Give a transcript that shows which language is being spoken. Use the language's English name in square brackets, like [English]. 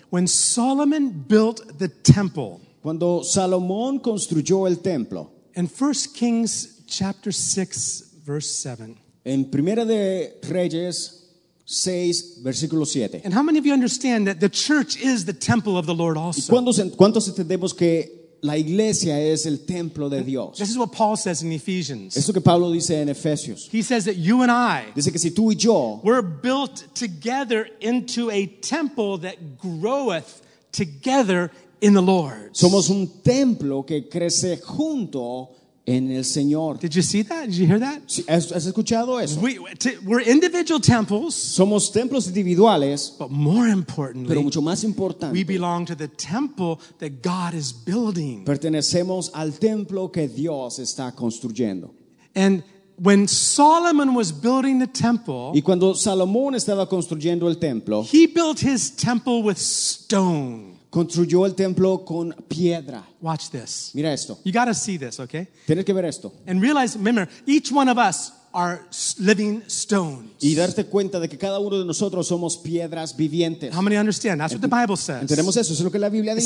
[English] When Solomon built the temple. [Spanish] Cuando Salomón construyó el templo. [English] In 1 Kings chapter 6 verse 7. [Spanish] En Primera de Reyes 6 versículo 7. [English] And how many of you understand that the church is the temple of the Lord also? [Spanish] ¿Cuántos entendemos que la iglesia es el templo de Dios? [English] This is what Paul says in Ephesians. [Spanish] Es lo que Pablo dice en Efesios. [English] He says that you and I, [Spanish] dice que si tú y yo, [English] we're built together into a temple that groweth together in the Lord. [Spanish] Somos un templo que crece junto en el Señor. [English] Did you see that? Did you hear that? [Spanish] Sí, ¿has escuchado eso? [English] We're individual temples. [Spanish] Somos templos individuales. [English] But more importantly, [Spanish] pero mucho más importante, [English] we belong to the temple that God is building. [Spanish] Pertenecemos al templo que Dios está construyendo. [English] And when Solomon was building the temple, [Spanish] y cuando Salomón estaba construyendo el templo, [English] he built his temple with stone. [Spanish] Construyó el templo con piedra. [English] Watch this. [Spanish] Mira esto. [English] You got to see this, okay? [Spanish] Tienes que ver esto. [English] And realize, remember, each one of us are living stones. [Spanish] Y darte cuenta de que cada uno de nosotros somos piedras vivientes. [English] How many understand? That's what the Bible says. [Spanish] Entendemos eso. Eso es lo que la Biblia dice.